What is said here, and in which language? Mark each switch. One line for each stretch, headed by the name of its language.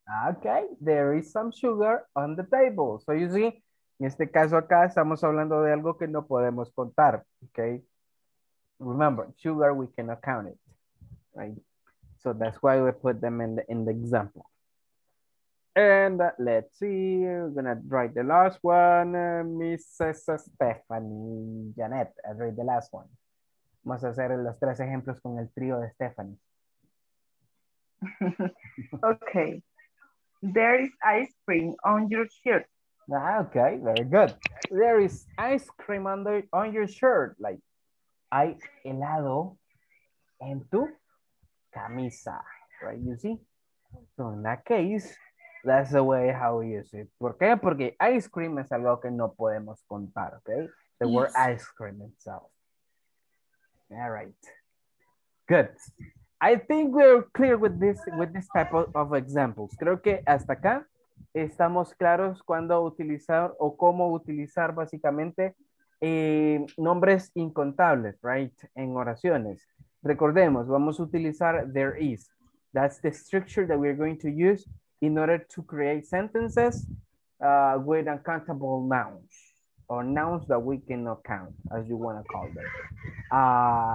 English: Okay, there is some sugar on the table. So you see,
Spanish: en este caso acá estamos hablando de algo que no podemos contar,
English: okay? Remember, sugar, we cannot count it, right? So that's why we put them in the example. And let's see, we're gonna write the last one. Mrs. Stephanie, Janet, I read the last one.
Spanish: Vamos a hacer los tres ejemplos con el trío de Stephanie.
English: Okay, there is ice cream on your shirt. Okay, very good. There is ice cream on your shirt.
Spanish: Like, hay helado en tu camisa,
English: right? You see? So in that case, that's the way how we use it.
Spanish: ¿Por qué? Porque ice cream es algo que no podemos contar, okay? The yes.
English: word ice cream itself. All right. Good. I think we're clear with this type of examples.
Spanish: Creo que hasta acá estamos claros cuando utilizar o cómo utilizar básicamente nombres incontables, right? En oraciones. Recordemos, vamos a utilizar there is.
English: That's the structure that we're going to use in order to create sentences with uncountable nouns or nouns that we cannot count, as you want to call them.